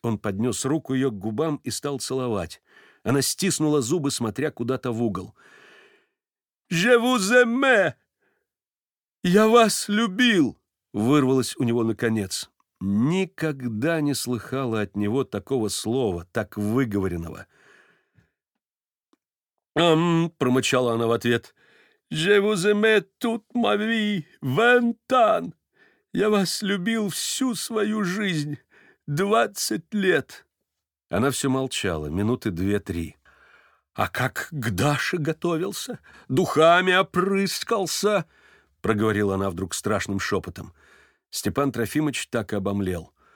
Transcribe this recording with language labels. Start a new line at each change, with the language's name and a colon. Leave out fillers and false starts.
Russian: Он поднес руку ее к губам и стал целовать. Она стиснула зубы, смотря куда-то в угол.
French: «Je vous aime! Я вас любил!»
Russian: Вырвалось у него наконец. Никогда не слыхала от него такого слова, так выговоренного. Промычала она в ответ.
French: «Je vous aime toute ma vie, vingt ans.
Russian: Я вас любил всю свою жизнь, 20 лет». Она все молчала, минуты две-три. «А как к Даше готовился? Духами опрыскался?» Проговорила она вдруг страшным шепотом. Степан Трофимович так и обомлел.